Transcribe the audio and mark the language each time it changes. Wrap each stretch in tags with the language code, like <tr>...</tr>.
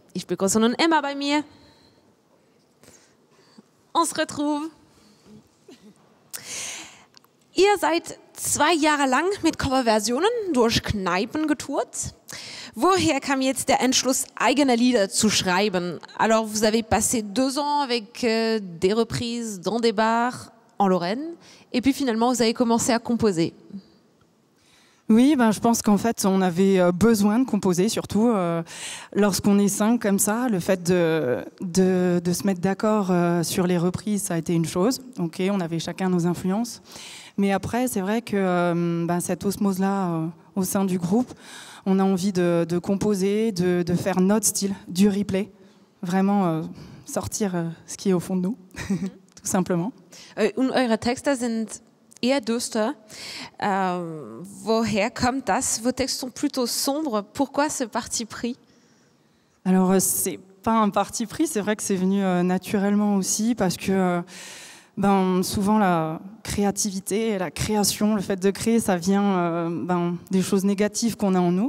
<de>Ich begrüße nun Emma bei mir.</de> <fr>On se retrouve.</fr> <de>Ihr seid 2 Jahre lang mit Coverversionen durch Kneipen getourt. Woher kam jetzt der Entschluss, eigene Lieder zu schreiben?</de> <fr>Alors, vous avez passé 2 ans avec des reprises dans des bars en Lorraine. Et puis finalement, vous avez commencé à composer. Oui, ben, je pense qu'en fait, on avait besoin de composer, surtout lorsqu'on est 5 comme ça. Le fait de se mettre d'accord sur les reprises, ça a été une chose. Ok, on avait chacun nos influences. Mais après, c'est vrai que cette osmose-là au sein du groupe, on a envie de composer, de faire notre style, du replay. Vraiment sortir ce qui est au fond de nous, tout simplement.</fr> <de>Und eure Texte sind eher düster. Woher kommt das?</de> <fr>Vos textes sont plutôt sombres. Pourquoi ce parti pris? Alors, c'est pas un parti pris. C'est vrai que c'est venu naturellement aussi parce que souvent la créativité, la création, le fait de créer, ça vient des choses négatives qu'on a en nous.</fr>